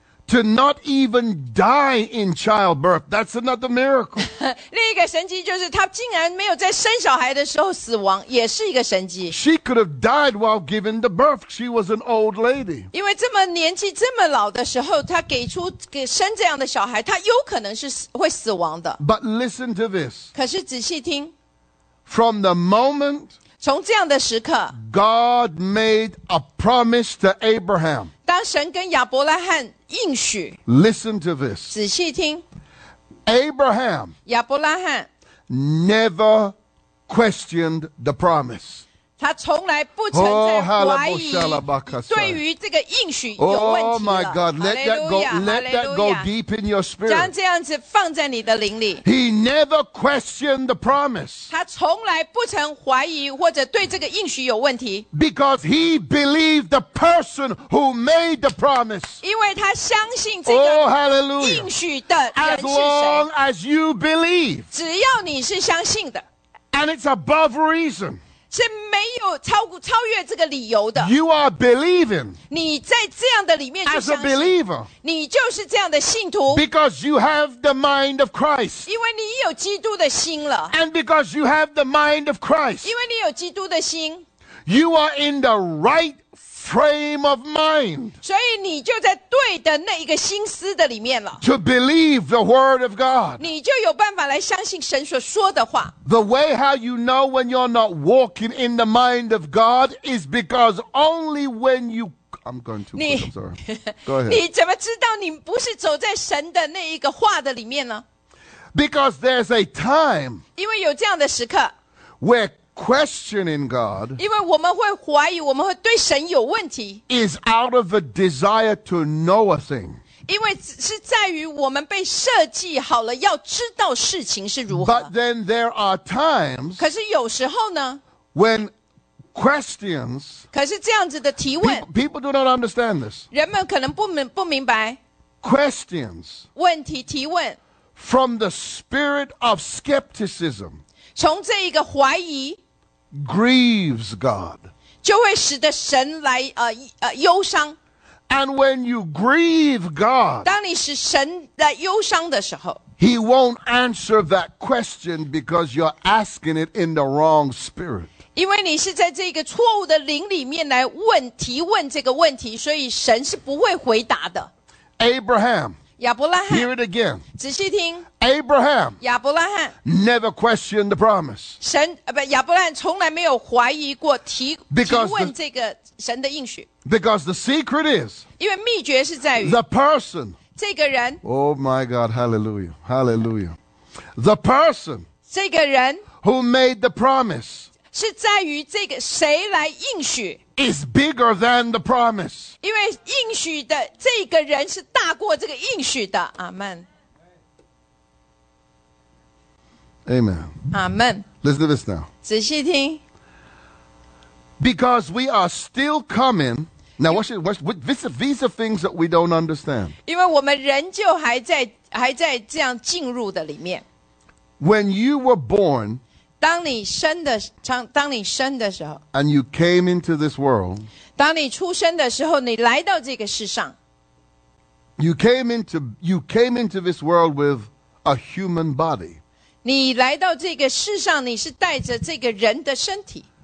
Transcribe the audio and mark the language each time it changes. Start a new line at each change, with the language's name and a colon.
English: To not even die in childbirth, that's another miracle.
Chinese: 另一个神迹就是她竟然没有在生小孩的时候死亡，也是一个神迹。
English: She could have died while giving the birth. She was an old lady.
Chinese: 因为这么年纪这么老的时候，她给生这样的小孩，她有可能是会死亡的。
English: But listen to this.
Chinese: 可是仔细听。
English: From the moment.
Chinese: 从这样的时刻
English: God made a promise to Abraham.
Chinese: 当神跟亚伯拉罕应许
English: Listen to this.
Chinese: 仔细听
English: Abraham
Chinese: 亚伯拉罕
English: never questioned the promise.
Chinese: 他从来不曾在怀疑对于这个应许有问题了
English: Oh my God, let that go deep in your spirit.
Chinese: 将这样子放在你的灵里
English: He never questioned the promise.
Chinese: 他从来不曾怀疑或者对这个应许有问题
English: Because he believed the person who made the promise.
Chinese: 因为他相信这个应许的人是谁
English: As long as you believe.
Chinese: 只要你是相信的
English: And it's above reason.
Chinese: 是没有 超越这个理由的。
English: You are believing.
Chinese: 你在这样的里面就相信。
English: As a believer.
Chinese: 你就是这样的信徒。
English: Because you have the mind of Christ.
Chinese: 因为你有基督的心了。
English: And because you have the mind of Christ.
Chinese: 因为你有基督的心。
English: You are in the right frame of mind.
Chinese: 所以你就在对的那一个心思的里面了。
English: To believe the word of God.
Chinese: 你就有办法来相信神所说的话。
English: The way how you know when you're not walking in the mind of God is because only when you... I'm going too quick, I'm sorry. Go ahead.
Chinese: 你怎么知道你不是走在神的那一个话的里面呢?
English: Because there's a time...
Chinese: 因为有这样的时刻。
English: Where questioning God
Chinese: 因为我们会怀疑我们会对神有问题
English: is out of a desire to know a thing
Chinese: 因为是在于我们被设计好了要知道事情是如何
English: but then there are times
Chinese: 可是有时候呢
English: when questions
Chinese: 可是这样子的提问
English: people do not understand this
Chinese: 人们可能不明白
English: questions
Chinese: 问题提问
English: from the spirit of skepticism
Chinese: 从这一个怀疑
English: grieves God
Chinese: 就会使得神来忧伤
English: and when you grieve God
Chinese: 当你使神来忧伤的时候
English: he won't answer that question because you're asking it in the wrong spirit
Chinese: 因为你是在这个错误的灵里面来问提问这个问题所以神是不会回答的
English: Abraham
Chinese: 亚伯拉罕
English: Hear it again.
Chinese: 仔细听
English: Abraham
Chinese: 亚伯拉罕
English: Never questioned the promise
Chinese: 神不亚伯拉罕从来没有怀疑过 提问这个神的应许
English: Because the secret is
Chinese: 因为秘诀是在于
English: The person
Chinese: 这个人
English: Oh my God, hallelujah The person
Chinese: 这个人
English: Who made the promise
Chinese: 是在于这个谁来应许
English: is bigger than the promise.
Chinese: 因为应许的这个人是大过这个应许的。
English: Amen. Amen. Amen. Listen to this now.
Chinese: 仔细听。
English: Because we are still coming. Now, these are things that we don't understand.
Chinese: 因为我们仍旧还在这样进入的里面。
English: When you were born,
Chinese: 当你生的时候
English: and you came into this world
Chinese: 当你出生的时候你来到这个世上
English: you came into this world with a human body
Chinese: 你来到这个世上你是带着这个人的身体